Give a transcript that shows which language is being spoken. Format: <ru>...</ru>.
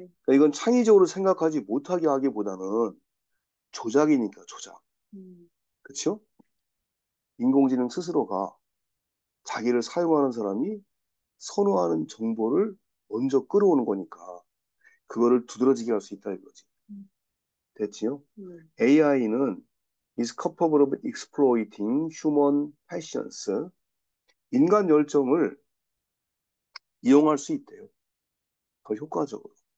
<ko>그러니까 이건 창의적으로 생각하지 못하게 하기보다는 조작이니까, 조작. 그렇죠? 인공지능 스스로가 자기를 사용하는 사람이 선호하는 정보를 먼저 끌어오는 거니까 그거를 두드러지게 할수 있다 이거지. 됐지요?</ko> <en>AI는 is capable of exploiting human passions.</en> <ko>인간 열정을 이용할 수 있대요. 더 효과적으로.</ko>